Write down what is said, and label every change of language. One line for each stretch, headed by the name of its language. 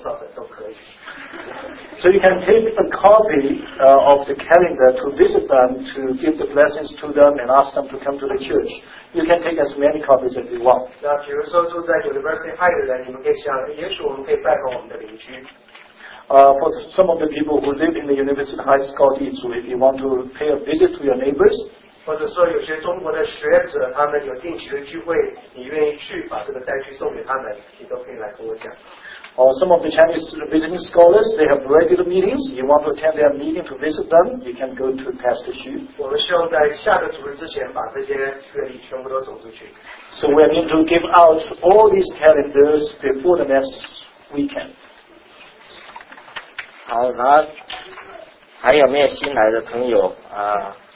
English: So you can take a copy of the calendar to visit them, to give the blessings to them and ask them to come to the church. You can take as many copies as you want. For some of the people who live in the University High School, so if you want to pay a visit to your neighbors,
Chinese: 或者说有些中国的学者，他们有定期的聚会，你愿意去把这个带去送给他们，你都可以来跟我讲。
English: Some of the Chinese visiting scholars, they have regular meetings. You want to attend their meeting to visit them, you can go to Pastor Xu.
Chinese: 我们希望在下个主日之前把这些学历全部都走出去。
English: So we are going to give out all these calendars before the next weekend.
Chinese: 好，那还有没有新来的朋友啊？